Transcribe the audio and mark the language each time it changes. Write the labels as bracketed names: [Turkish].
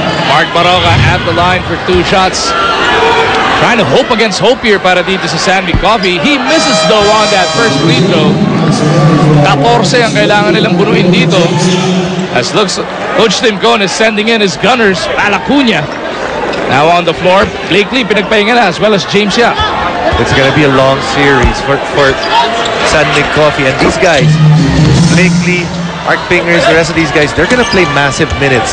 [English] Mark Baroga at the line for two shots. Trying to hope against hope here [Filipino] para dito sa [English] San Miguel. He misses, though, on that first free throw. [Filipino] 14 ang kailangan nilang bunuin dito. [English] As looks, Coach Tim Cohn is sending in his gunners, Palacuña. Now on the floor, Blakely [Filipino] pinagpahinga na, [English] as well as James Yap. It's gonna be a long series for San Miguel Coffee. And these guys, Blakely, Art Fingers, the rest of these guys, they're gonna play massive minutes.